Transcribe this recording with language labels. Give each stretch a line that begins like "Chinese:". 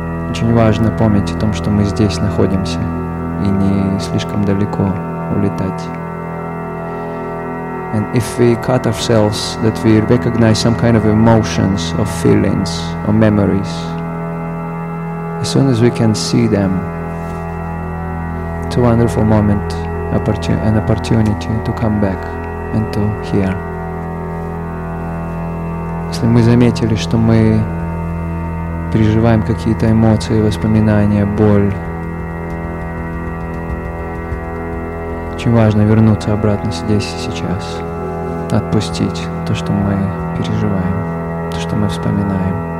Russian: Очень важно помнить о том, что мы здесь находимся, и не слишком далеко улетать.
English: And if we cut ourselves, that we recognize some kind of emotions or feelings or memories, as soon as we can see them, it's a wonderful moment, an opportunity to come back and to hear.
Russian: Если мы заметили, что мы переживаем какие-то эмоции, воспоминания, боль, очень важно вернуться обратно здесь и сейчас. Отпустить то, что мы переживаем, то, что мы вспоминаем.